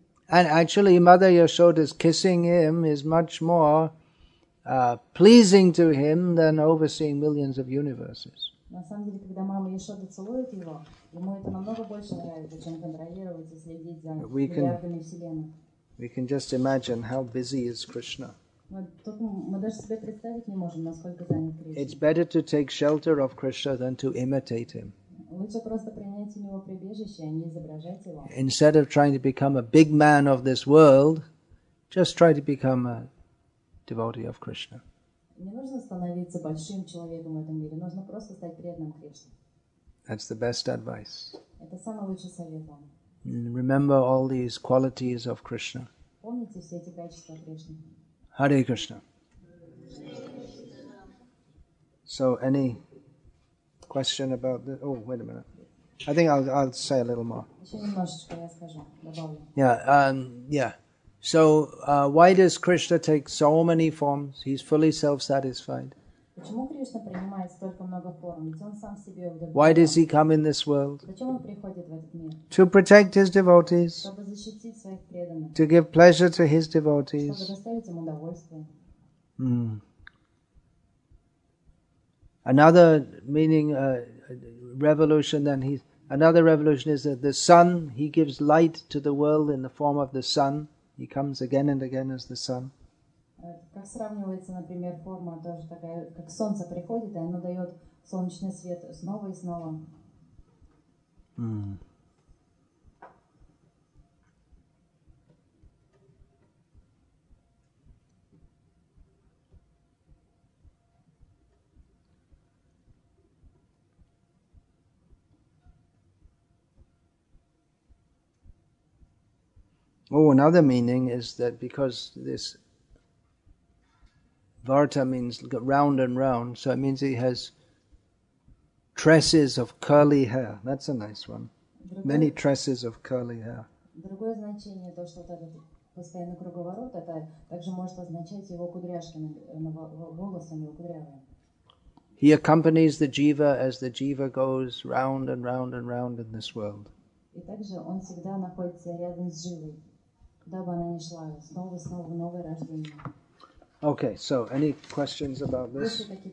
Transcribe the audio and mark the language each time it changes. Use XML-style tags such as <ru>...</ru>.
<en>And actually, Mother Yashoda's kissing him is much more pleasing to him than overseeing millions of universes.</en> <ru>На самом деле, когда мама Яшода целует его, ему это намного больше нравится, чем контролировать и следить за миллиардами вселенной.</ru> <en>We can just imagine how busy is Krishna.</en> <ru>Мы даже себе представить не можем, насколько занят Кришна.</ru> <en>It's better to take shelter of Krishna than to imitate him.</en> <ru>Лучше просто принять у него прибежище, а не изображать его.</ru> <en>Instead of trying to become a big man of this world, just try to become a devotee of Krishna.</en> <ru>Не нужно становиться большим человеком в этом мире, нужно просто стать преданным Кришне.</ru> <en>That's the best advice.</en> <ru>Это самый лучший совет вам.</ru> <en>Remember all these qualities of Krishna.</en> <ru>Помните все эти качества Кришны.</ru> <en>Hare Krishna. So any question about the? Oh, wait a minute. I think I'll say a little more.</en> <ru>Еще немножечко я скажу, добавлю.</ru> <en>Yeah. So why does Krishna take so many forms? He's fully self-satisfied.</en> <ru>Почему Кришна принимает столько много форм? Ведь он сам себе удовлетворен.</ru> <en>Why does he come in this world?</en> <ru>Зачем он приходит в этот мир?</ru> <en>To protect his devotees.</en> <ru>Чтобы защитить своих преданных.</ru> <en>To give pleasure to his devotees.</en> <ru>Чтобы доставить им удовольствие.</ru> <en>Another meaning revolution. Then he another revolution is that the sun. He gives light to the world in the form of the sun. He comes again and again as the sun.</en> <ru>Как сравнивается, например, форма тоже такая, как солнце приходит, и оно дает солнечный свет снова и снова.</ru> <en>Oh, another meaning is that because this Varta means round and round, so it means he has tresses of curly hair. That's a nice one. Many tresses of curly hair.</en> <ru>Другое значение то, что этот постоянный круговорот, это также может означать его кудряшки на волосах, его кудрявые.</ru> <en>He accompanies the jiva as the jiva goes round and round and round in this world.</en> <ru>И также он всегда находится рядом с живой, куда бы она ни шла, снова и снова в новое рождение.</ru> <en>Okay, so any questions about this?</en>